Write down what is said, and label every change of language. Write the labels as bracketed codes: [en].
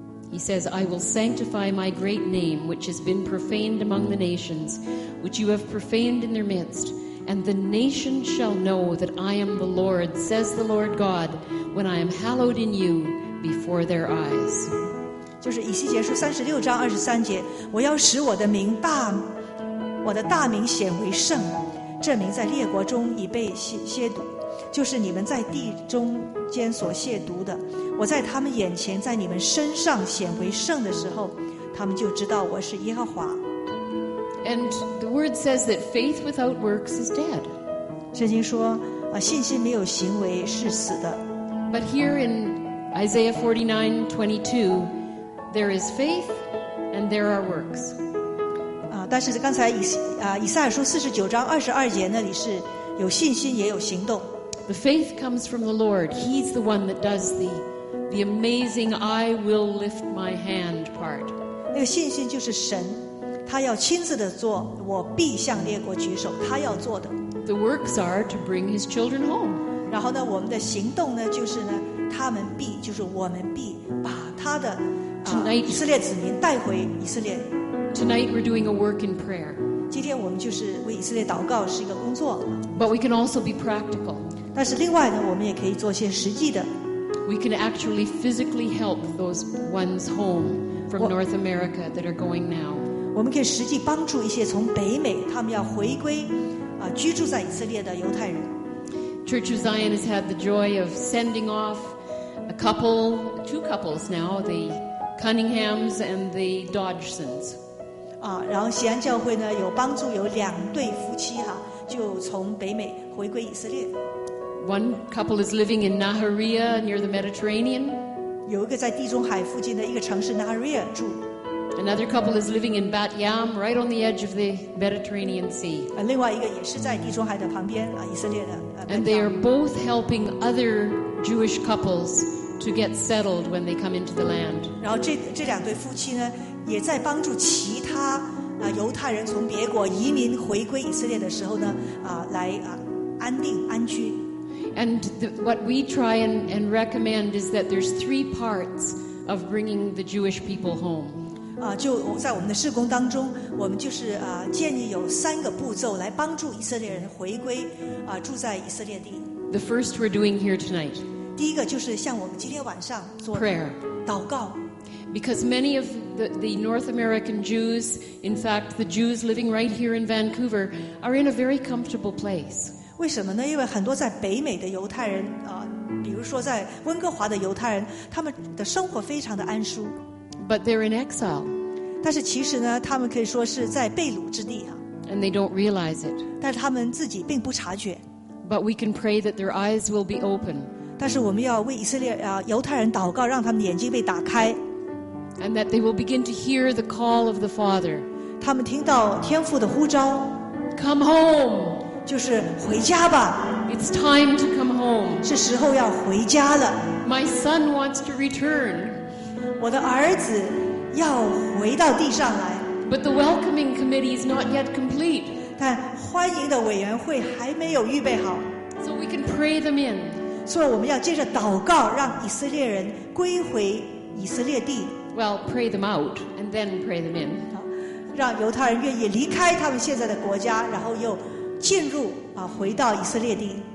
[en] He says, I will sanctify my great name, which has been profaned among the nations, which you have profaned in their midst. And the nation shall know that I am the Lord, says the Lord God, when I am hallowed in you before their eyes. [zh] 就是以西结书36:23，我要使我的大名显为圣，这名在列国中已被亵渎，就是你们在地中间所亵渎的。我在他们眼前，在你们身上显为圣的时候，他们就知道我是耶和华。 [en] And the word says that faith without works is dead. [zh] 圣经说，信心没有行为是死的。 [en] But here in Isaiah 49:22, there is faith and there are works. [zh] 但是刚才以赛亚书49:22那里是有信心也有行动。 [en] The faith comes from the Lord. He's the one that does the amazing I will lift my hand part [zh] 那个信心就是神他要亲自的做我必向列国举手他要做的 [en] the works are to bring his children home [zh] 然后呢我们的行动呢就是呢他们必就是我们必把他的 [en] tonight, [zh] 以色列子民带回以色列 [en] tonight we're doing a work in prayer [zh] 今天我们就是为以色列祷告是一个工作 [en] but we can also be practical [zh] 但是另外呢我们也可以做些实际的 [en] We can actually physically help those ones home from North America that are going now. [zh] 我们可以实际帮助一些从北美他们要回归居住在以色列的犹太人。 [en] Church of Zion has had the joy of sending off a couple, two couples now, the Cunninghams and the Dodgsons. [zh] 然后锡安教会呢有帮助有两对夫妻哈，就从北美回归以色列。 [en] One couple is living in Nahariya near the Mediterranean. [zh] 有一个在地中海附近的一个城市 Nahariya 住。 [en] Another couple is living in Bat Yam, right on the edge of the Mediterranean Sea. [zh] 另外一个也是在地中海的旁边以色列的。 [en] And they are both helping other Jewish couples to get settled when they come into the land. [zh] 然后这两对夫妻呢，也在帮助其他犹太人从别国移民回归以色列的时候呢，来安定安居。 [en] And what we try and recommend is that there's three parts of bringing the Jewish people home. [zh] 就在我们的事工当中，我们就是建议有三个步骤来帮助以色列人回归住在以色列地。 [en] The first we're doing here tonight. [zh] 第一个就是像我们今天晚上做的 [en] prayer [zh] 祷告。 [en] Because many of the North American Jews, in fact, the Jews living right here in Vancouver, are in a very comfortable place. [zh] 为什么呢？因为很多在北美的犹太人比如说在温哥华的犹太人，他们的生活非常的安舒。 [en] But they're in exile. [zh] 但是其实呢，他们可以说是在被掳之地。 [en] And they don't realize it. [zh] 但是他们自己并不察觉。 [en] But we can pray that their eyes will be open. [zh] 但是我们要为以色列犹太人祷告，让他们的眼睛被打开。 [en] And that they will begin to hear the call of the Father. [zh] 他们听到天父的呼召。 [en] Come home. [zh] 就是回家吧。 [en] It's time to come home. [zh] 是时候要回家了。 [en] My son wants to return. [zh] 我的儿子要回到地上来。 [en] But the welcoming committee is not yet complete. [zh] 但欢迎的委员会还没有预备好。 [en] So we can pray them in. [zh] 所以我们要接着祷告，让以色列人归回以色列地。 Well, pray them out and then pray them in. 让犹太人愿意离开他们现在的国家，然后又进入回到以色列地。